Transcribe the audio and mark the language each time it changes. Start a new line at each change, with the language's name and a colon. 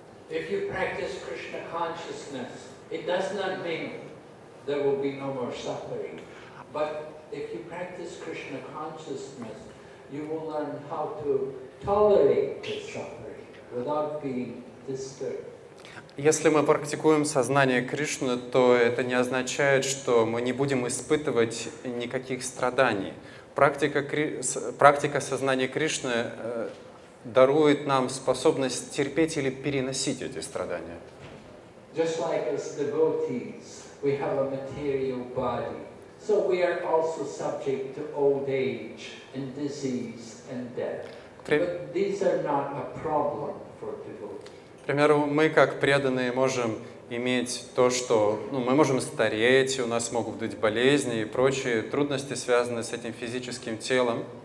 English: If you practice Krishna consciousness, it does not mean there will be no more suffering. But if you practice Krishna consciousness, you will learn how to tolerate the suffering without being disturbed.
Russian: Если мы практикуем сознание Кришны, то это не означает, что мы не будем испытывать никаких страданий. Практика сознания Кришны дарует нам способность терпеть или переносить эти страдания.
English: Just like as devotees, we have a material body. So we are also subject to old age and disease and death. But these are not a problem for devotees.
Russian: К примеру, мы как преданные можем иметь то, что мы можем стареть, у нас могут быть болезни и прочие трудности, связанные с этим физическим телом.